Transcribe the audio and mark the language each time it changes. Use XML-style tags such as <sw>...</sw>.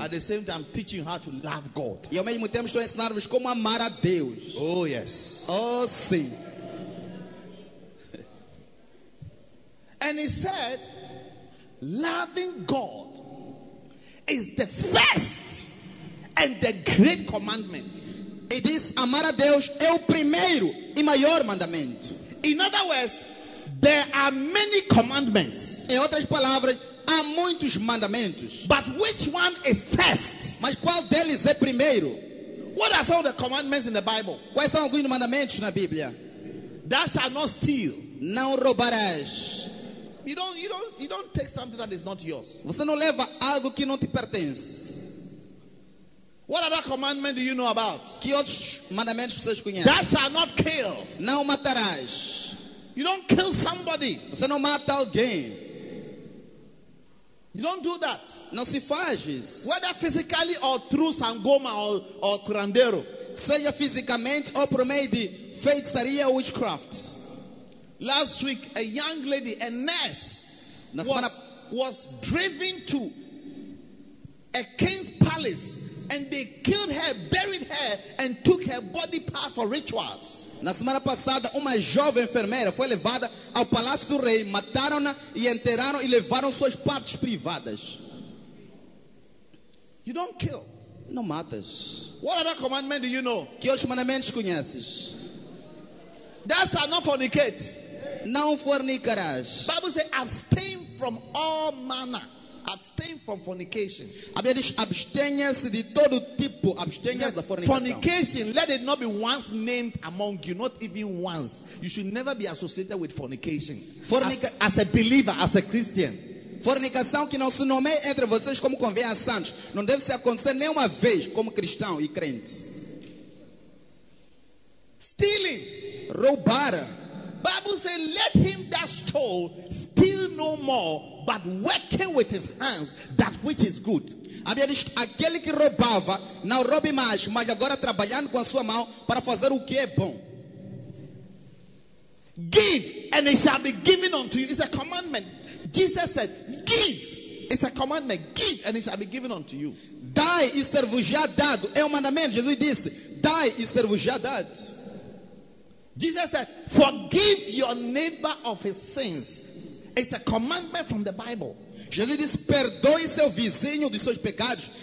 <en>At the same time, I'm teaching you how to love God.</en> <pt>E ao mesmo tempo estou a ensinar-vos como amar a Deus.</pt> <en>Oh yes.</en> <pt>Oh sim.</pt> <en>And he said, loving God is the first and the great commandment.</en> <pt>E diz, amar a Deus é o primeiro e maior mandamento.</pt> <en>In other words, there are many commandments.</en> <pt>Em outras palavras, há muitos mandamentos.</pt> <en>But which one is first?</en> <pt>Mas qual deles é primeiro?</pt> <en>What are some of the commandments in the Bible?</en> <pt>Quais são alguns mandamentos na Bíblia?</pt> <en>Thou shalt not steal.</en> <pt>Não roubarás.</pt> <en>You don't take something that is not yours.</en> <pt>Você não leva algo que não te pertence.</pt> <en>What other commandment do you know about?</en> <pt>Que outros mandamentos vocês conhecem?</pt> <en>Thou shalt not kill.</en> <pt>Não matarás.</pt> <en>You don't kill somebody.</en> <pt>Você não mata alguém.</pt> <en>You don't do that.</en> <pt>Não se faz isso.</pt> <en>Whether physically or through sangoma or curandero.</en> <pt>Seja fisicamente ou por meio de feitiçaria ou witchcraft.</pt> <en>Last week, a young lady, a nurse, was driven to a king's palace, and they killed her, buried her, and took her body part for rituals.</en> <pt>Na semana passada, uma jovem enfermeira foi levada ao palácio do rei, mataram-na e enterraram e levaram suas partes privadas.</pt> <en>You don't kill.</en> <pt>Não matas.</pt> <en>What other commandment do you know?</en> <pt>Que outros mandamentos conheces?</pt> <en>Thou shalt not fornicate.</en> <pt>Não fornicarás.</pt> <en>Bible says, abstain from all manner. Abstain from fornication.</en> <pt>A Bíblia diz, abstenha-se de todo tipo. Abstenha-se da fornicação.</pt> <en>Fornication, let it not be once named among you, not even once. You should never be associated with fornication. As a believer, as a Christian.</en> <pt>Fornicação que não se nomeie entre vocês como convém a santos. Não deve se acontecer nenhuma vez como cristão e crente.</pt> <en>Stealing.</en> <pt>Roubar.</pt> <en>Bible says, let him that stole steal no more, but working with his hands that which is good.</en> <pt>A Bíblia diz, aquele que roubava, não roube mais, mas agora trabalhando com a sua mão para fazer o que é bom.</pt> <en>Give, and it shall be given unto you. It's a commandment. Jesus said, give. It's a commandment. Give, and it shall be given unto you.</en> <pt>Dai e ser-vos-já dado. É um mandamento. Jesus disse, dai e ser-vos-já dado.</pt> <en>Jesus said, forgive your neighbor of his sins. It's a commandment from the Bible.</en> <pt>Jesus disse, perdoe seu vizinho de seus pecados.</pt>